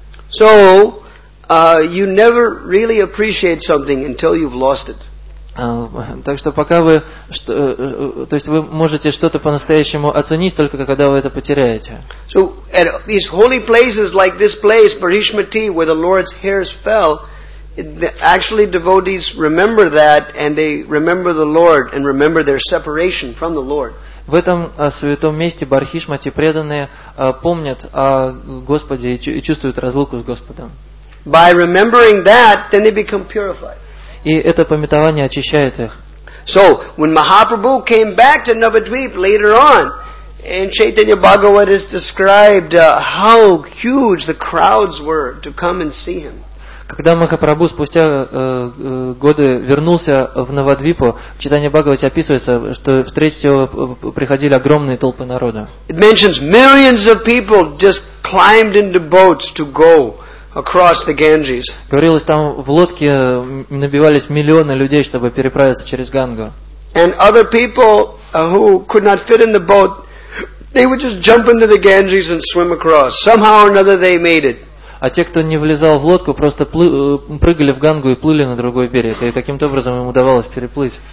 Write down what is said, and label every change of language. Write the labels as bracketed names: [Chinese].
[English] So, you never really appreciate something until you've lost it. [Russian] Так что пока вы, то есть вы можете что-то по-настоящему оценить только когда вы это потеряете. [English] So, at these holy places like this place, Brihaspati, where the Lord's hairs fell, Actually, devotees remember that, and they remember the Lord, and remember their separation from the Lord. [Russian] В этом святом месте Бархишмати преданные помнят о Господе и чувствуют разлуку с Господом. [English] By remembering that, then they become purified. [Russian] И это памятование очищает их. [English] So, when Mahaprabhu came back to Navadvip later on, in Chaitanya Bhagavat is described how huge the crowds were to come and see him. [Russian] Когда Махапрабху спустя годы вернулся в Навадвипу, в Читании Бхагавате описывается, что встретить его приходили огромные толпы народа. [English] It mentions millions of people just climbed into boats to go across the Ganges. [Russian] Говорилось, там в лодке набивались миллионы людей, чтобы переправиться через Гангу. [English] And other people who could not fit in the boat, they would just jump into the Ganges and swim across. Somehow or another they made it. [Russian] А те, кто не влезал в лодку, просто прыгали в Гангу и плыли на другой берег. И каким-то образом им удавалось переплыть.